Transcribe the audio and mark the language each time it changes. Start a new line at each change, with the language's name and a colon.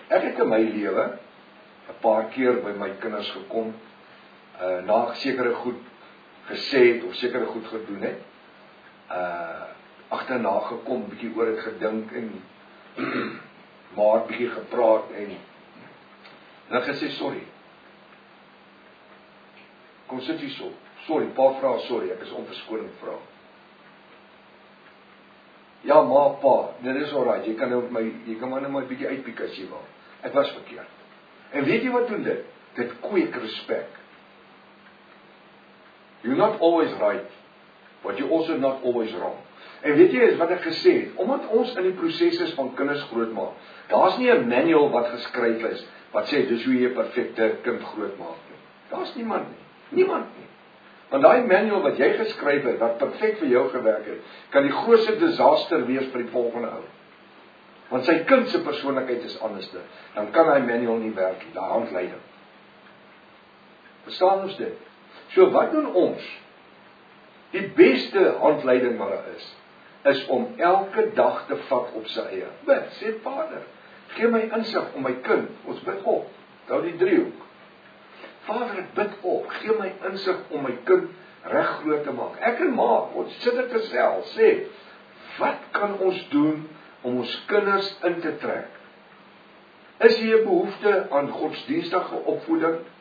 Afrikaans: Ek het in my lewe, 'n paar keer by my kinders gekom, na sekere goed gesê het, of sekere goed gedoen het, agterna gekom, bietjie oor het gedink, en maar bietjie gepraat, en en hy gesê, sorry, kom sit hier so, sorry, pa vraag, sorry, ek is onverskoning vraag. Ja, ma, pa, dit is alright, jy kan maar bietjie uitpiek as jy wil, ek was verkeerd. En weet jy wat doen dit? Dit kweek respect.
English: You're not always right, but you're also not always wrong.
Afrikaans: En weet jy, is wat ek gesê het, omdat ons in die proses is van kinders grootmaak, daar is nie een manual wat geskryf is, wat sê, dis hoe jy perfekte kind grootmaak. Daar is niemand nie. Niemand nie. Want die manual wat jy geskryf het, wat perfect vir jou gewerk het, kan die grootste disaster wees vir die volgende ou. Want sy kindse persoonlikheid is anders. Dan kan die manual nie werk, die handleiding. Verstaan ons dit? So wat doen ons? Die beste handleiding wat daar is, is om elke dag te vat op sy eie. Bid, sê Vader, gee my insig om my kind, ons bid op, hou die driehoek. Vader, ek bid op, gee my insig om my kind reg groot te maak. Ek en ma, ons sit het gesels, sê, wat kan ons doen om ons kinders in te trek? Is hier behoefte aan godsdienstige opvoeding?